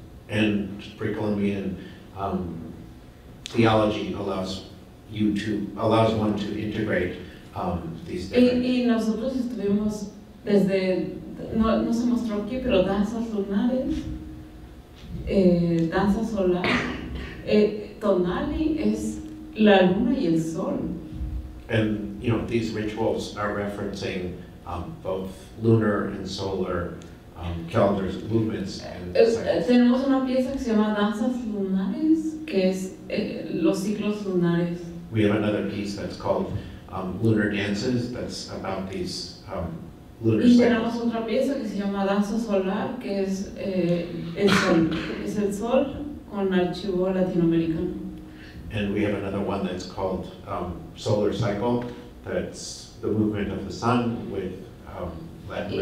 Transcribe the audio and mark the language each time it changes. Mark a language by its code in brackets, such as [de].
[en] And pre-Columbian theology allows one to integrate these different. [es] Y nosotros estuvimos desde, no se mostró aquí, pero danzas lunares. Danza solar, tonali es la luna y el sol. [en] And you know these rituals are referencing both lunar and solar calendars, movements. [es] Tenemos una pieza que se llama danzas lunares, que es los ciclos lunares. [en] We have another piece that's called lunar dances, that's about these lunar [es] cycles. Y tenemos otra pieza que se llama danza solar, que es el sol. Es el sol con archivo latinoamericano. [en] And we have another one that's called solar cycle, that's the movement of the sun with Latin